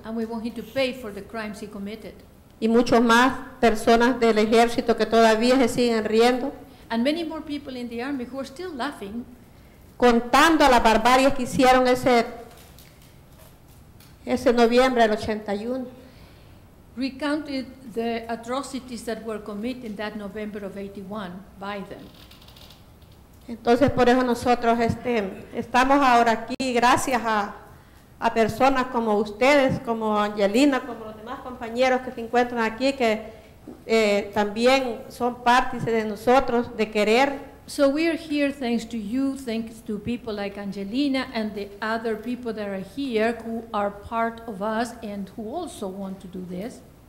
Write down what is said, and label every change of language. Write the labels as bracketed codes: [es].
[en] And we want him to pay for the crimes he committed. [es] Y muchos más personas del ejército que todavía se siguen riendo. [en] And many more people in the army who are still laughing. [es] Contando las barbaries que hicieron ese noviembre del 81. [en] Recounted the atrocities that were committed in that November of 81 by them. [es] Entonces por eso nosotros estamos ahora aquí gracias a personas como ustedes, como Angelina, como los demás compañeros que se encuentran aquí, que también son partícipes de nosotros, de querer. [en] So we are here thanks to you, thanks to people like Angelina and the other people that are here who are part of us and who also want to do this.